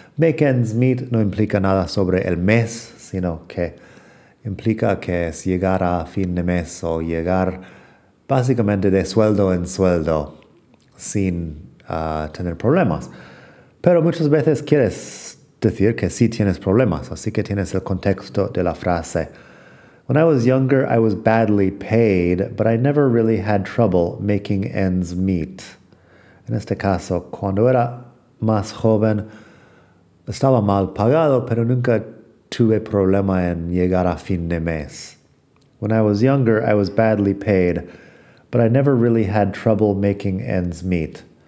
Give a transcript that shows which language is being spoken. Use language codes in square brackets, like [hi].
[en] Make ends meet [es] no implica nada sobre el mes, sino que implica que es llegar a fin de mes o llegar básicamente de sueldo en sueldo sin tener problemas. Pero muchas veces quieres decir que sí tienes problemas, así que tienes el contexto de la frase. [en] When I was younger, I was badly paid, but I never really had trouble making ends meet. [es] En este caso, cuando era más joven, estaba mal pagado, pero nunca tuve problema en llegar a fin de mes. [en] When I was younger, I was badly paid, but I never really had trouble making ends meet.